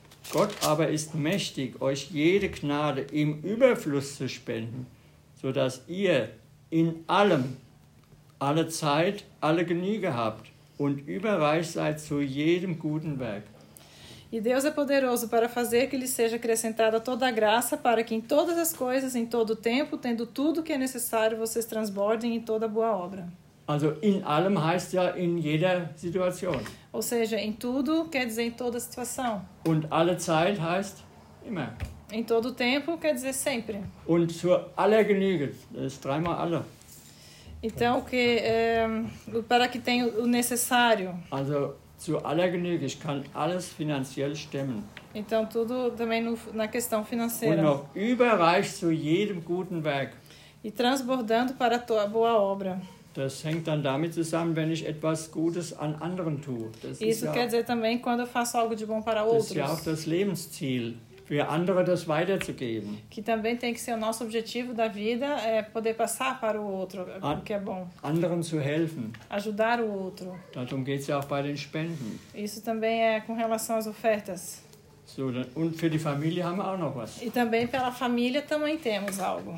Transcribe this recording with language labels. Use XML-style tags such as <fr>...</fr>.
<de>Gott aber ist mächtig, euch jede Gnade im Überfluss zu spenden, so dass ihr in allem, alle Zeit, alle Genüge habt und überreich seid zu jedem guten Werk.</de> <pt>E Deus é poderoso para fazer que lhe seja acrescentada toda a graça, para que em todas as coisas, em todo o tempo, tendo tudo o que é necessário, vocês transbordem em toda boa obra.</pt> <de>Also, in allem heißt ja in jeder Situation.</de> <pt>Ou seja, em tudo quer dizer em toda situação.</pt> <de>Und alle Zeit heißt immer.</de> <pt>Em todo o tempo quer dizer sempre.</pt> <de>Und zu aller Genüge, das ist dreimal alle.</de> <pt>Então, que, para que tenha o necessário.</pt> <de>Also, zu aller Genüge, ich kann alles finanziell stemmen.</de> <pt>Então, tudo também no, na questão financeira.</pt> <de>Und noch überreich zu jedem guten Werk.</de> <pt>E transbordando para a tua boa obra.</pt> <de>Das hängt dann damit zusammen, wenn ich etwas Gutes an anderen tue. Das</de> <pt>Isso quer dizer também quando eu faço algo de bom para outros.</pt> <de>Das ist ja auch das Lebensziel, für andere das weiterzugeben.</de> <pt>Que também tem que ser o nosso objetivo da vida, é poder passar para o outro an, o que é bom.</pt> <de>Anderen zu helfen.</de> <pt>Ajudar o outro.</pt> <de>Darum geht's ja auch bei den Spenden.</de> <pt>Isso também é com relação às ofertas.</pt> <de>So, und für die Familie haben wir auch noch was.</de> <pt>E também pela família também temos algo.</pt>